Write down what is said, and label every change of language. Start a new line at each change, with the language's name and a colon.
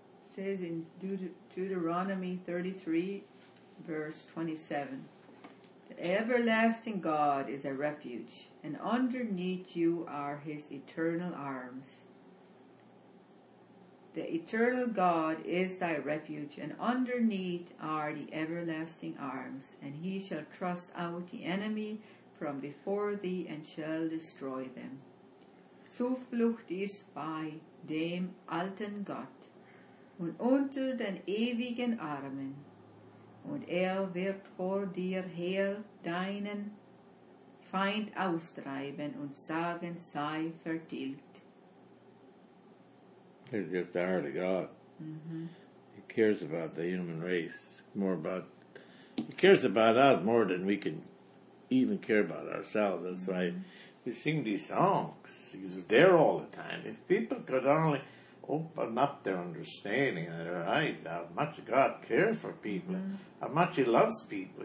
English: It says in Deuteronomy 33, verse 27, the everlasting God is a refuge, and underneath you are his eternal arms. The eternal God is thy refuge, and underneath are the everlasting arms, and he shall thrust out the enemy from before thee and shall destroy them.
German: Zuflucht ist bei dem alten Gott und unter den ewigen Armen, und wird vor dir her deinen Feind austreiben und sagen, sei vertilgt.
English: It's just the heart of God. Mm-hmm. He cares about the human race more about us more than we can even care about ourselves. That's why we sing these songs. Because we're there all the time. If people could only open up their understanding and their eyes, how much God cares for people, how much He loves people.